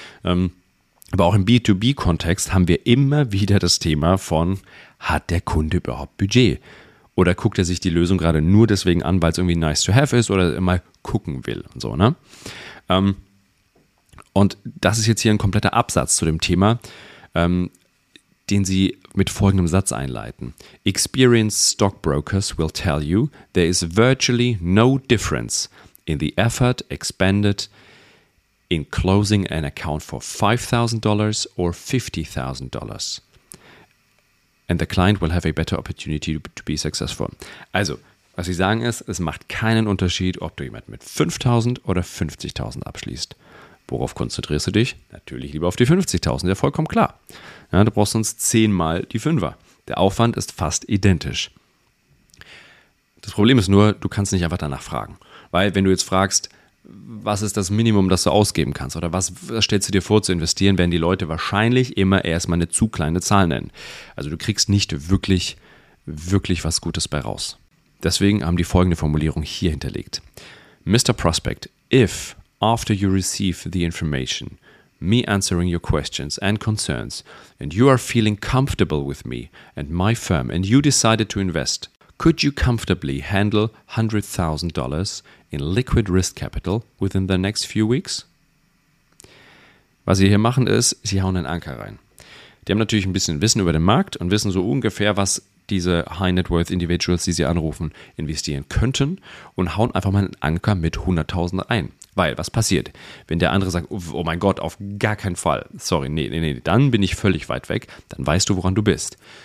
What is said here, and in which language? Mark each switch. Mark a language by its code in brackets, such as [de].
[de] Aber auch im B2B-Kontext haben wir immer wieder das Thema von, hat der Kunde überhaupt Budget? Oder guckt er sich die Lösung gerade nur deswegen an, weil es irgendwie nice to have ist oder mal gucken will und so, ne? Und das ist jetzt hier ein kompletter Absatz zu dem Thema, den sie mit folgendem Satz einleiten. [en] Experienced stockbrokers will tell you there is virtually no difference in the effort expended in closing an account for $5,000 or $50,000. And the client will have a better opportunity to be successful. [de] Also, was sie sagen ist, es macht keinen Unterschied, ob du jemanden mit 5.000 oder 50.000 abschließt. Worauf konzentrierst du dich? Natürlich lieber auf die 50.000, ja vollkommen klar. Ja, du brauchst sonst 10-mal die Fünfer. Der Aufwand ist fast identisch. Das Problem ist nur, du kannst nicht einfach danach fragen. Weil wenn du jetzt fragst, was ist das Minimum, das du ausgeben kannst oder was stellst du dir vor zu investieren, werden die Leute wahrscheinlich immer erstmal eine zu kleine Zahl nennen. Also du kriegst nicht wirklich, wirklich was Gutes bei raus. Deswegen haben die folgende Formulierung hier hinterlegt. [en] Mr. Prospect, if after you receive the information, me answering your questions and concerns, and you are feeling comfortable with me and my firm, and you decided to invest, could you comfortably handle $100,000 in liquid risk capital within the next few weeks? [de] Was sie hier machen ist, sie hauen einen Anker rein. Die haben natürlich ein bisschen Wissen über den Markt und wissen so ungefähr, was diese High-Net-Worth-Individuals, die sie anrufen, investieren könnten und hauen einfach mal einen Anker mit 100.000 ein. Weil, was passiert, wenn der andere sagt, oh mein Gott, auf gar keinen Fall, sorry, nee, dann bin ich völlig weit weg, dann weißt du, woran du bist.